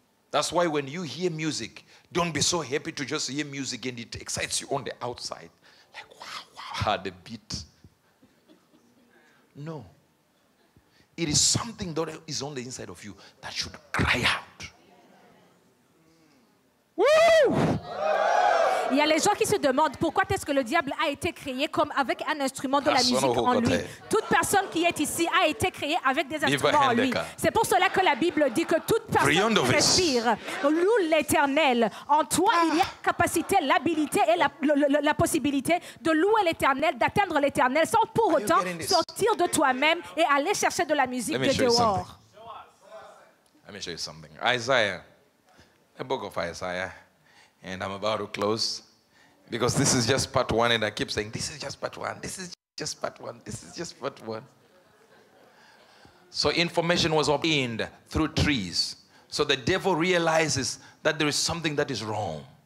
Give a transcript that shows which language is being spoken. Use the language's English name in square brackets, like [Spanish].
[English] That's why when you hear music, don't be so happy to just hear music and it excites you on the outside. Like, wow, wow, the beat. No. It is something that is on the inside of you that should cry out. Woo! [French] Il y a les gens qui se demandent pourquoi est-ce que le diable a été créé comme avec un instrument de la musique en lui. Toute personne qui est ici a été créée avec des instruments en lui. C'est pour cela que la Bible dit que toute personne qui respire loue l'Éternel. En toi, il y a capacité, l'habilité et la possibilité de louer l'Éternel, d'atteindre l'Éternel sans pour autant sortir de toi-même et aller chercher de la musique de dehors. [English] Let me show you something. Isaiah, the book of Isaiah. And I'm about to close because this is just part one, and I keep saying, this is just part one, this is just part one, this is just part one. So information was obtained through trees. So the devil realizes that there is something that is wrong.